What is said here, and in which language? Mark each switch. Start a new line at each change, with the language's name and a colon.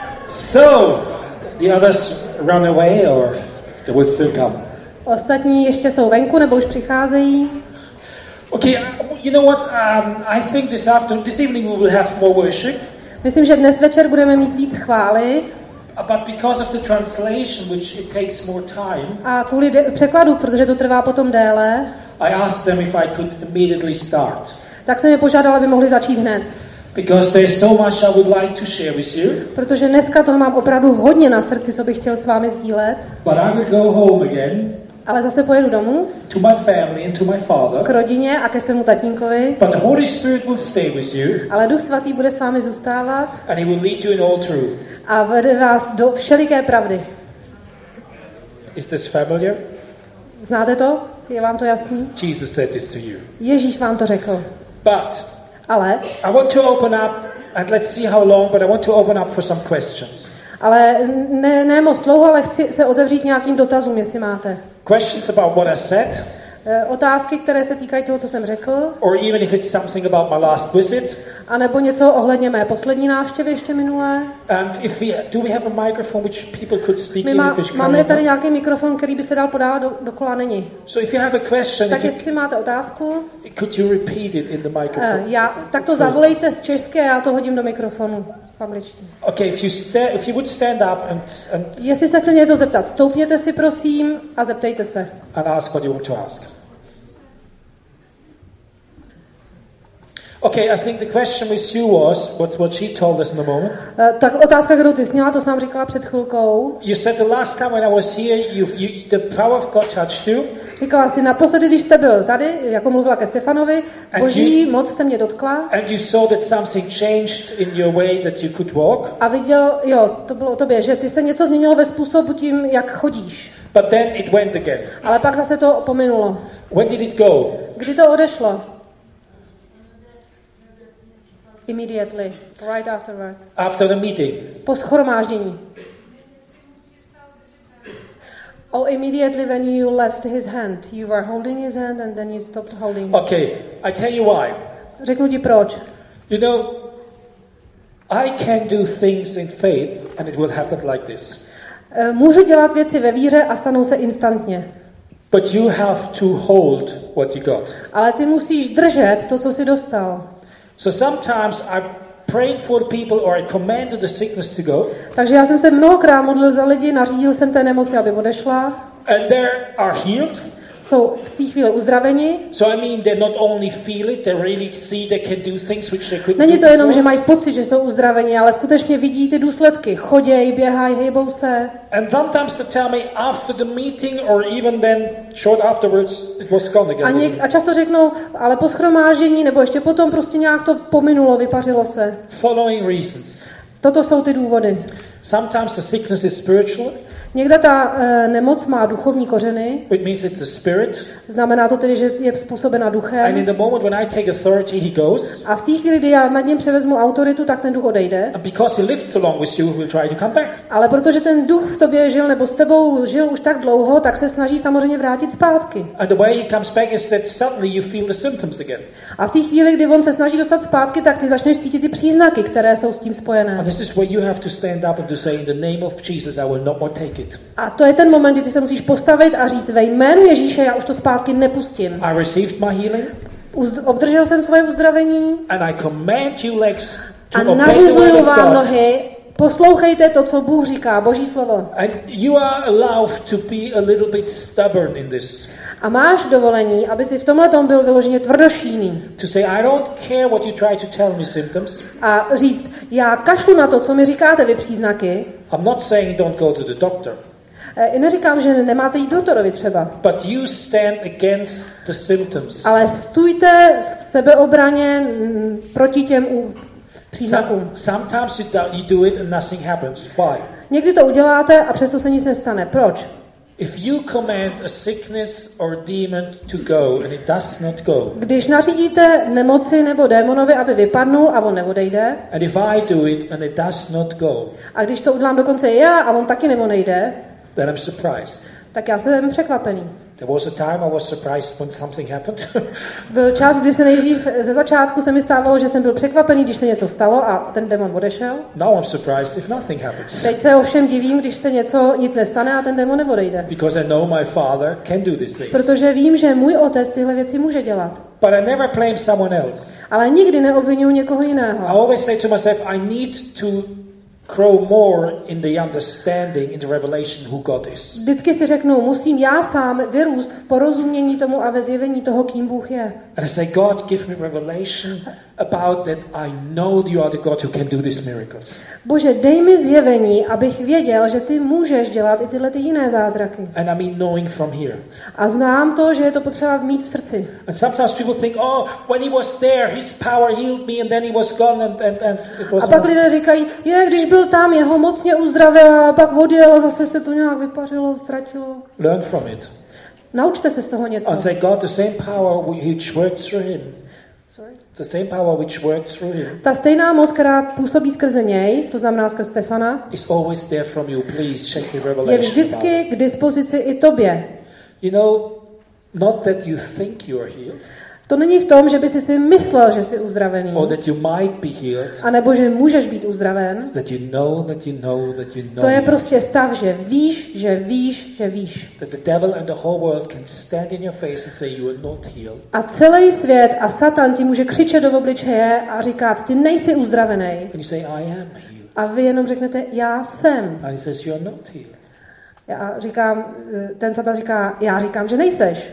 English: So, the others run away or they would still come?
Czech: Ostatní ještě jsou venku nebo už přicházejí?
English: Okay, you know what? I think this evening we will have more worship.
Czech: Myslím, že dnes večer budeme mít víc chvály.
English: But because of the translation, which it takes more time.
Czech: A kvůli překladu, protože to trvá potom déle.
English: I asked them if I could immediately start.
Czech: Tak jsem je požádala, aby mohli začít hned.
English: Because there's so much I would like to share with you.
Czech: Protože dneska toho mám opravdu hodně na srdci, co bych chtěl s vámi sdílet.
English: But I will go home again.
Czech: Ale zase pojedu domů.
English: To my family and to my father.
Czech: K rodině a ke svému tatínkovi.
English: But the Holy Spirit will stay with you.
Czech: Ale Duch Svatý bude s vámi zůstávat.
English: And he will lead you in all truth.
Czech: A vede vás do všeliké pravdy.
English: Is this familiar?
Czech: Znáte to? Je vám to jasný?
English: Jesus said this to you.
Czech: Ježíš vám to řekl.
English: But.
Czech: Ale.
English: I want to open up and let's see how long, but I want to open up for some questions.
Czech: Ale ne moc dlouho, ale chci se otevřít nějakým dotazům, jestli máte.
English: Questions about what I said.
Czech: Otázky, které se týkají toho, co jsem řekl.
English: Or even if it's something about my last visit.
Czech: A nebo něco ohledně mé poslední návštěvy ještě minulé.
English: And if we do we have a microphone which people could speak in.
Czech: Máme tady nějaký mikrofon, který by se dal podávat do kola, není.
English: So if you have a question.
Czech: Tak jestli máte otázku.
English: Could you repeat it in the microphone?
Czech: Tak to zavolejte z české, já to hodím do mikrofonu.
English: Okay, if you would stand up and.
Czech: Jestli jste se něco zeptat, stoupněte si prosím a zeptejte se.
English: And ask what you want to ask. Okay, I think the question with you was what she told us in the moment.
Czech: Tak otázka, kterou ty sněla, to jsi nám říkala před chvilkou.
English: You said the last time when I was here, you the power of God touched you.
Czech: Říkala jsi naposledy, když jste byl tady, jako mluvila ke Stefanovi, Boží moc se mě dotkla.
English: And you saw that something changed in your way that you could walk.
Czech: A viděl, jo, to bylo o tobě, že ty se něco změnilo ve způsobu tím, jak chodíš.
English: But then it went again.
Czech: Ale pak zase to pominulo.
English: When did it go?
Czech: Kdy to odešlo?
English: Immediately, right afterwards. After the meeting.
Czech: Po shromáždění.
English: Oh, immediately when you left his hand, you were holding his hand and then you stopped holding. Okay, I tell you why.
Czech: Řeknu ti proč.
English: You know, I can do things in faith and it will happen like this.
Czech: Můžu dělat věci ve víře a stanou se instantně.
English: But you have to hold what you got.
Czech: Ale ty musíš držet to, co jsi dostal.
English: So sometimes I prayed for the people or I commanded the sickness to go.
Czech: Takže já jsem se mnohokrát modlil za lidi, nařídil jsem té nemoci, aby odešla.
English: And they are healed.
Czech: So v té chvíli uzdraveni.
English: So I mean they not only feel it, they really see they can do things which they couldn't.
Czech: Není to jenom, že mají pocit, že jsou uzdraveni, ale skutečně vidí ty důsledky. Chodějí, běhají, hejbou se.
English: And sometimes they tell me after the meeting or even then short afterwards it was gone again.
Czech: A často řeknou, ale po shromáždění nebo ještě potom prostě nějak to pominulo, vypařilo se.
English: Following reasons.
Czech: Toto jsou ty důvody.
English: Sometimes the sickness is spiritual.
Czech: Někde ta nemoc má duchovní kořeny.
English: It means it's a spirit.
Czech: Znamená to tedy, že je způsobena duchem.
English: And in the moment when I take authority, he goes.
Czech: A v té chvíli, kdy já nad ním převezmu autoritu, tak ten duch odejde.
English: And because he lives along with you, he will try to come back.
Czech: Ale protože ten duch v tobě žil nebo s tebou žil už tak dlouho, tak se snaží samozřejmě vrátit zpátky.
English: And the way he comes back is that suddenly you feel the symptoms again.
Czech: A v té chvíli, kdy on se snaží dostat zpátky, tak ty začneš cítit ty příznaky, které jsou s tím spojené.
English: And this is where you have to stand up and to say in the name of Jesus, I will not more take.
Czech: A to je ten moment, kdy ty se musíš postavit a říct ve jménu Ježíše, já už to zpátky nepustím.
English: I received my healing.
Czech: Obdržel jsem svoje uzdravení.
English: And I command you legs to obey the word of God.
Czech: A nařizuju vám nohy, poslouchejte to, co Bůh říká, Boží slovo.
English: And you are allowed to be a little bit stubborn in this.
Czech: A máš dovolení, aby si v tomhle tom byl vyloženě tvrdošíný.
English: To say, I don't care what you try to tell me symptoms.
Czech: A říct, já kašlu na to, co mi říkáte vy příznaky.
English: I'm not saying don't go to the doctor.
Czech: Neříkám, že nemáte jít doktorovi třeba.
English: But you stand against the symptoms.
Czech: Ale stůjte v sebeobraně proti těm příznakům.
English: Sometimes you do it and nothing happens. Why?
Czech: Někdy to uděláte a přesto se nic nestane. Proč?
English: If you command a sickness or a demon to go and it does not go.
Czech: Když nařídíte nemoci nebo démonovi, aby vypadnul a on neodejde.
English: And if I do it and it does not go.
Czech: A když to udělám dokonce já a on taky neodejde.
English: Then I'm surprised.
Czech: Tak já jsem překvapený.
English: There was a time I was surprised when something happened.
Czech: Byl čas, kdy se nejdřív ze začátku se mi stávalo, že jsem byl překvapený, když se něco stalo a ten démon odešel.
English: Now I'm surprised if nothing happens.
Czech: Teď se ovšem divím, když se něco nic nestane a ten démon neodejde.
English: Because I know my father can do these things.
Czech: Protože vím, že můj otec tyhle věci může dělat.
English: But I never blame someone else.
Czech: Ale nikdy neobvinuju někoho jiného.
English: I always say to myself, I need to grow more in the understanding, in the revelation who God is.
Czech: Vždycky si řeknu, musím já sám vyrůst v porozumění tomu a ve zjevení toho, kým Bůh je.
English: And I say, God, give me revelation about that I know you are the God who can do these miracles.
Czech: Bože, dej mi zjevení, abych věděl, že ty můžeš dělat i tyhle ty jiné zázraky.
English: And I mean knowing from here.
Czech: A znám to, že je to potřeba mít v srdci.
English: And sometimes people think, oh, when he was there, his power healed me, and then he was gone, and it was.
Czech: A pak lidé říkají, je, když byl tam, jeho moc mě uzdravila, a pak odjel, zase se to nějak vypařilo, ztratilo.
English: Learn from it.
Czech: Naučte se z toho něco.
English: And say, God, the same power which worked through him. The same power which worked through him.
Czech: Ta stejná moc, která působí skrze něj, to znamená skrze Stefana.
English: Is always there from you. Please check the revelation.
Czech: Je vždycky k dispozici i tobě.
English: You know, not that you think you are healed.
Czech: To není v tom, že bys si myslel, že jsi uzdravený.
English: Or that you might be healed.
Czech: A nebo že můžeš být uzdraven.
English: That you know, that you know, that you know.
Czech: To je prostě stav, že víš, že víš, že víš.
English: That the devil and the whole world can stand in your face and say you are not healed.
Czech: A celý svět a Satan ti může křičet do obličeje a říkat, ty nejsi uzdravený.
English: And you say I am healed.
Czech: A vy jenom řeknete, já jsem.
English: And he says you are not healed.
Czech: Já říkám, ten Satan říká, já říkám, že nejseš.